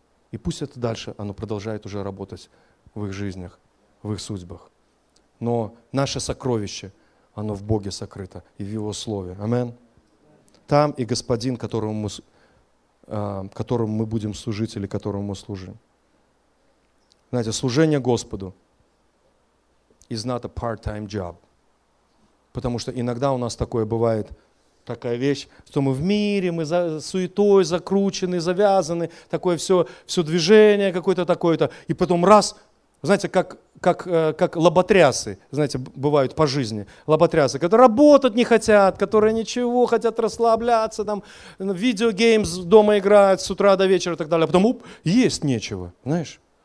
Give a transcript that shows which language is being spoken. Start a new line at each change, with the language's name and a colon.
Russian: И пусть это дальше, оно продолжает уже работать в их жизнях, в их судьбах. Но наше сокровище, оно в Боге сокрыто и в Его Слове. Амин. Там и Господин, которому мы будем служить или которому мы служим. Знаете, служение Господу
English: is not a part-time job.
Russian: Потому что иногда у нас такое бывает, такая вещь, что мы в мире, мы за суетой закручены, завязаны, такое все движение какое-то такое-то. И потом раз, знаете, как лоботрясы, знаете, бывают по жизни, лоботрясы, которые работать не хотят, которые ничего, хотят расслабляться, там, видеогеймс дома играют с утра до вечера и так далее, а потом, уп, есть нечего, знаешь.